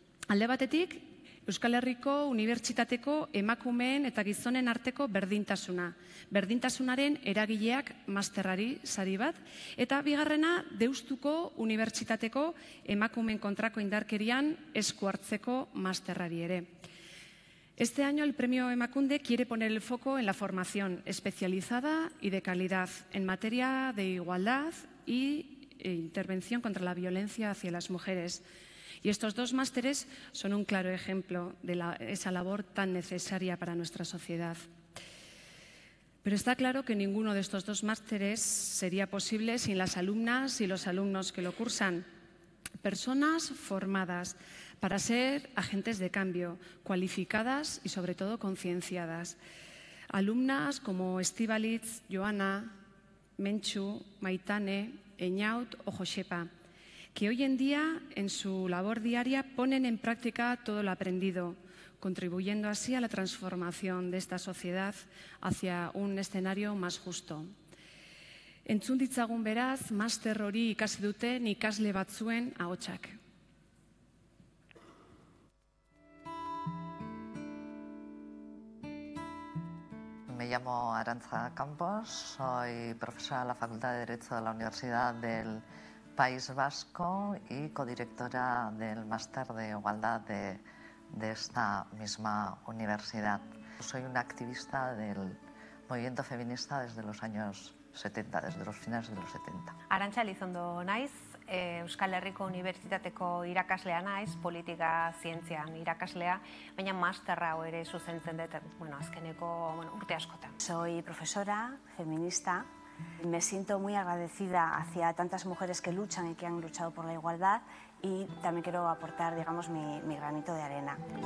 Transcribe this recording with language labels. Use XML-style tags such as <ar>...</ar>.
<eu>Alde batetik, Euskal Herriko Unibertsitateko emakumeen eta gizonen arteko berdintasuna. Berdintasunaren eragileak masterrari sari bat. Eta bigarrena, Deustuko Unibertsitateko emakumeen kontrako indarkerian esku hartzeko masterrari ere.</eu> <es>Este año el premio Emakunde quiere poner el foco en la formación especializada y de calidad en materia de igualdad y intervención contra la violencia hacia las mujeres. Y estos dos másteres son un claro ejemplo de esa labor tan necesaria para nuestra sociedad. Pero está claro que ninguno de estos dos másteres sería posible sin las alumnas y los alumnos que lo cursan. Personas formadas para ser agentes de cambio, cualificadas y sobre todo concienciadas. Alumnas como Estibaliz, Joana, Menchu, Maitane, Eñaut o Josepa, que hoy en día en su labor diaria ponen en práctica todo lo aprendido, contribuyendo así a la transformación de esta sociedad hacia un escenario más justo.</es> <eu>Entzun ditzagun beraz, master hori ikasi duten ikasle batzuen ahotsak.</eu> <es>Me llamo Arantza Campos, soy profesora de la Facultad de Derecho de la Universidad del País Vasco y codirectora del Máster de Igualdad de esta misma universidad. Soy una activista del movimiento feminista desde los años 70, desde los finales de los 70.</es> <eu>Arantza Elizondo naiz, Euskal Herriko Unibertsitateko irakaslea naiz, politika zientzian irakaslea, baina masterra hau ere zuzentzen dut, bueno, azkeneko bueno, urte askotan.</eu> <es>Soy profesora feminista. Me siento muy agradecida hacia tantas mujeres que luchan y que han luchado por la igualdad y también quiero aportar, digamos, mi granito de arena.</es>